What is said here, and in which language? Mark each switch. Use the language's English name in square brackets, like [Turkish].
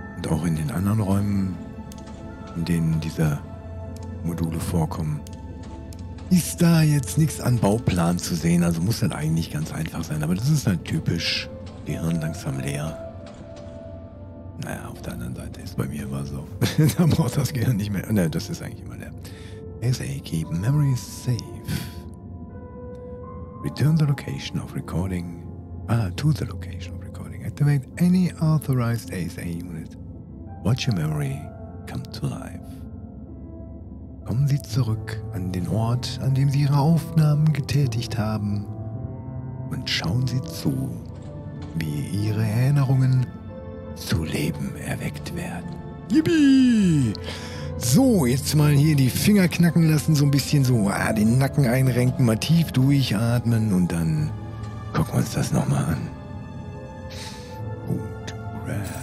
[German] Auch in den anderen Räumen, in denen diese Module vorkommen, ist da jetzt nichts an Bauplan zu sehen. Also muss das eigentlich ganz einfach sein. Aber das ist halt typisch. Gehirn langsam leer. Naja, auf der anderen Seite ist bei mir immer so. Da braucht das Gehirn nicht mehr. Ne, das ist eigentlich immer leer. [English] SA, keep memories safe. Return the location of recording. To the location of recording. Activate any authorized SA unit. Watch your memory come to life. [German] kommen sie zurück an den Ort, an dem sie ihre Aufnahmen getätigt haben, und schauen sie zu, wie ihre Erinnerungen zu Leben erweckt werden. Yippie! So, jetzt mal hier die Finger knacken lassen, so ein bisschen so, den Nacken einrenken, mal tief durchatmen und dann gucken wir uns das nochmal an. Gut, Crap.